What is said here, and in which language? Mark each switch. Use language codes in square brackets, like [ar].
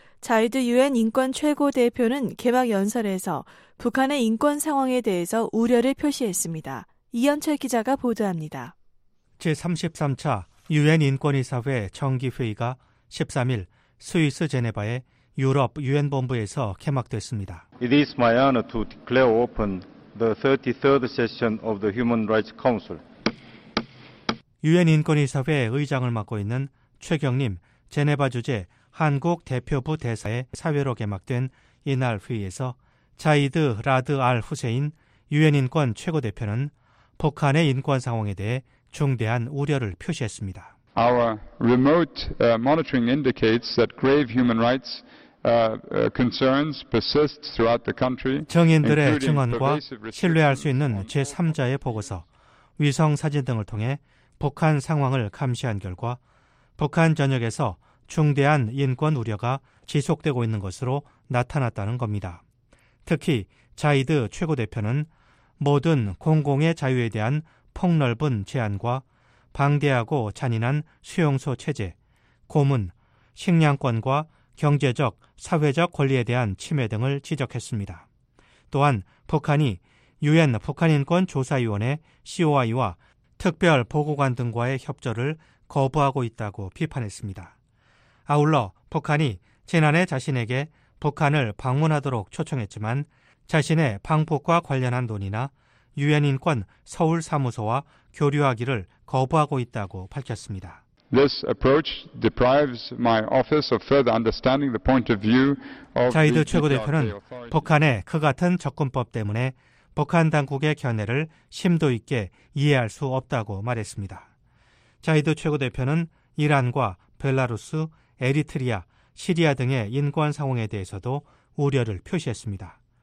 [ko] 자이드 유엔 인권 최고대표는 개막 연설에서 북한의 인권 상황에 대해서 우려를 표시했습니다. 이현철 기자가 보도합니다. 제33차 유엔 인권이사회 정기회의가 13일 스위스 제네바의 유럽 유엔 본부에서 개막됐습니다. [en] It is my honor to declare open the 33rd session of the Human Rights Council. [ko] 유엔 인권이사회 의장을 맡고 있는 최경림 제네바 주재 한국 대표부 대사의 사회로 개막된 이날 회의에서 자이드 라드 알 후세인 유엔 인권 최고대표는 북한의 인권 상황에 대해 중대한 우려를 표시했습니다. [en] Our remote monitoring indicates that grave human rights concerns persist throughout the country. [ko] 증인들의 증언과 신뢰할 수 있는 제3자의 보고서, 위성 사진 등을 통해 북한 상황을 감시한 결과 북한 전역에서 중대한 인권 우려가 지속되고 있는 것으로 나타났다는 겁니다. 특히 자이드 최고대표는 모든 공공의 자유에 대한 폭넓은 제한과 방대하고 잔인한 수용소 체제, 고문, 식량권과 경제적, 사회적 권리에 대한 침해 등을 지적했습니다. 또한 북한이 유엔 북한인권조사위원회 COI와 특별 보고관 등과의 협조를 거부하고 있다고 비판했습니다. 아울러 북한이 지난해 자신에게 북한을 방문하도록 초청했지만 자신의 방북과 관련한 논의나 유엔인권 서울사무소와 교류하기를 거부하고 있다고 밝혔습니다. [en] This approach deprives my office of further understanding the point of view of [ko] 자이드 최고대표는 북한의 그 같은 접근법 때문에 북한 당국의 견해를 심도 있게 이해할 수 없다고 말했습니다. 자이드 최고대표는 이란과 벨라루스, 에리트리아, 시리아 등의 인권 상황에 대해서도 우려를 표시했습니다.